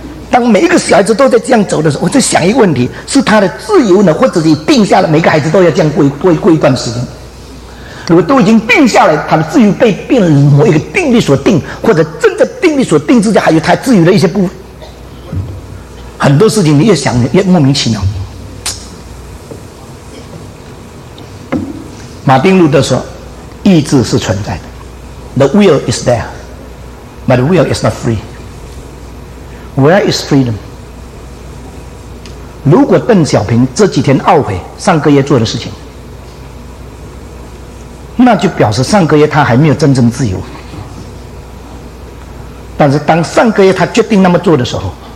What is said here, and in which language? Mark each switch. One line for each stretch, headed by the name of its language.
Chinese: 当每一个小孩子都在这样走的时候，我就想一个问题，是他的自由呢，或者是定下了每个孩子都要这样过一段时间？如果都已经定下来，他的自由被变了某一个定律所定，或者真的定律所定之下，还有他自由的一些部分，很多事情你越想越莫名其妙。马丁路德说，意志是存在的，
English: The will is thereBut the will is not free. Where is freedom?
Chinese: 如果邓小平这几天懊悔上个月做的事情，那就表示上个月他还没有真正自由。但是当上个月他决定那么做的时候，